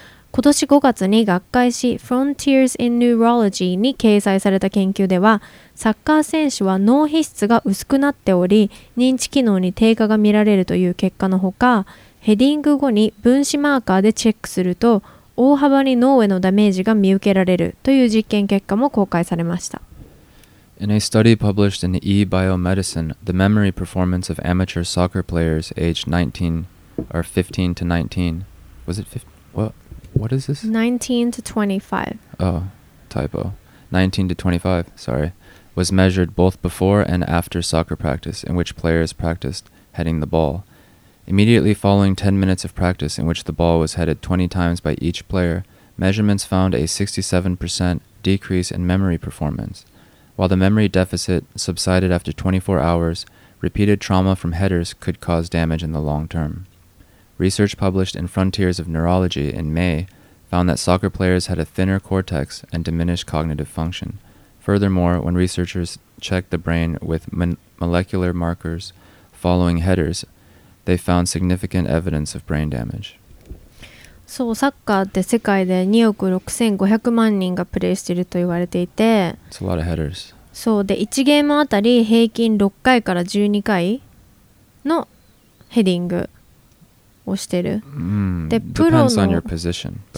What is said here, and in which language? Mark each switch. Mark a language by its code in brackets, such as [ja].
[ja] 今年5月に学会誌 Frontiers in Neurology に掲載された研究では、サッカー選手は脳皮質が薄くなっており、認知機能に低下が見られるという結果のほか、ヘディング後に分子マーカーでチェックすると、大幅に脳へのダメージが見受けられるという実験結果も公開されました。 [en] In a study published in eBioMedicine, the memory performance of amateur soccer players aged 19 to 25 was measured both before and after soccer practice in which players practiced heading the ball. Immediately following 10 minutes of practice in which the ball was headed 20 times by each player, measurements found a 67% decrease in memory performance. While the memory deficit subsided after 24 hours, repeated trauma from headers could cause damage in the long term. Research published in Frontiers of Neurology in May found that soccer players had a thinner cortex and diminished cognitive function. Furthermore, when researchers checked the brain with molecular markers following headers, they found significant evidence of brain damage. [ja] そう、サッカーって世界で2億6500万人がプレイしていると言われていて、 [en] It's a lot of headers. [ja] そうで、1ゲームあたり平均6回から12回のヘディングをしてる。でプロの [en] position, but...